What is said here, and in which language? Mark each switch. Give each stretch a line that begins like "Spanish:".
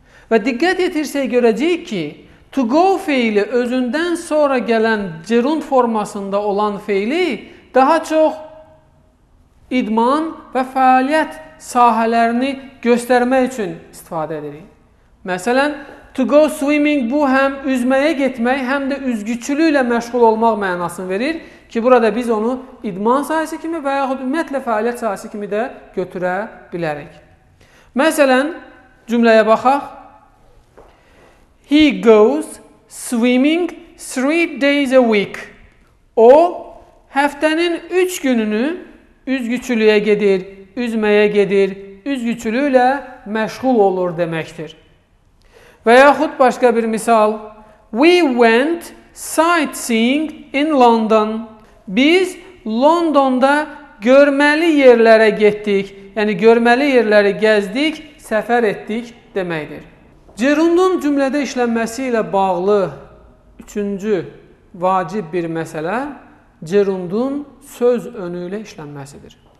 Azerbaijani: Və diqqət yetirsək görəcəyik ki, to go feili özündən sonra gələn gerund formasında olan feili daha çox idman və fəaliyyət sahələrini göstərmək üçün istifadə edirik. Məsələn,
English: to go swimming
Azerbaijani: bu həm üzməyə getmək, həm də üzgüçülüklə məşğul olmaq mənasını verir ki, burada biz onu idman sahəsi kimi və yaxud ümumiyyətlə fəaliyyət sahəsi kimi də götürə bilərik. Məsələn, cümləyə baxaq.
English: He goes swimming 3 days a week.
Azerbaijani: O, həftənin 3 gününü üzgüçülüyə gedir, üzməyə gedir, üzgüçülüklə məşğul olur deməkdir. Və yaxud başqa bir misal.
English: We went sightseeing in London.
Azerbaijani: Biz Londonda görməli yerlərə getdik, yəni görməli yerləri gəzdik, səfər etdik deməkdir. Gerundun cümlədə işlənməsi ilə bağlı üçüncü vacib bir məsələ gerundun söz önü ilə işlənməsidir.